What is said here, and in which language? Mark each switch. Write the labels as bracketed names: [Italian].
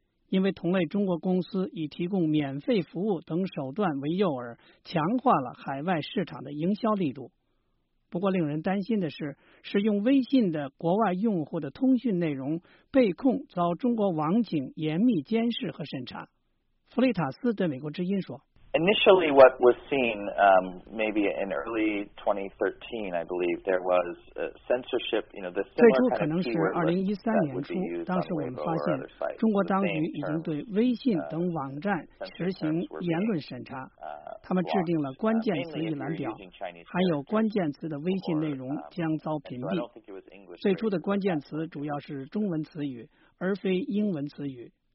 [Chinese] 因为同类中国公司以提供免费服务等手段为诱饵，强化了海外市场的营销力度。不过令人担心的是，使用微信的国外用户的通讯内容被控遭中国网警严密监视和审查。弗雷塔斯对美国之音说， [English] Initially, what was seen, maybe in early 2013, I believe, there was censorship, you know, the similar kind of keyword list that would be used on Weibo or other sites. [Chinese] 当时我们发现中国当局已经对微信等网站实行言论审查，他们制定了关键词一览表，含有关键词的微信内容将遭屏蔽。最初的关键词主要是中文词语，而非英文词语。